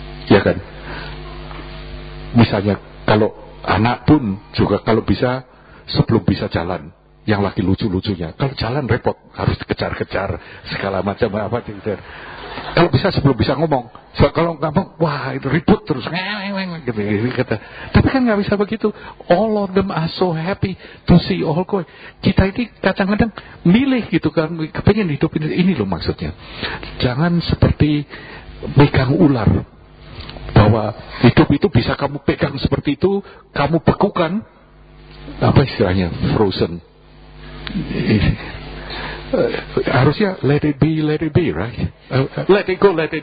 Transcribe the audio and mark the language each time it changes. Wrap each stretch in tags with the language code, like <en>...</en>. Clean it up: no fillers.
<id>Ya kan? Misalnya, kalau anak pun juga, kalau bisa, sebelum bisa jalan, yang lagi lucu-lucunya. Kalau jalan repot, harus dikejar-kejar, segala macam apa. Gitu. Kalau bisa, sebelum bisa ngomong. So, kalau ngomong, wah, itu ribut terus. Gitu. Tapi kan nggak bisa begitu.</id> <en>All of them are so happy to see all going.</en> <id>Kita ini kadang-kadang milih gitu kan, kepengen hidup ini loh maksudnya. Jangan seperti megang ular. Bahwa hidup itu bisa kamu pegang seperti itu, kamu bekukan, apa istilahnya, frozen.</id> <en>Harusnya let it be, right? Let it go.</en>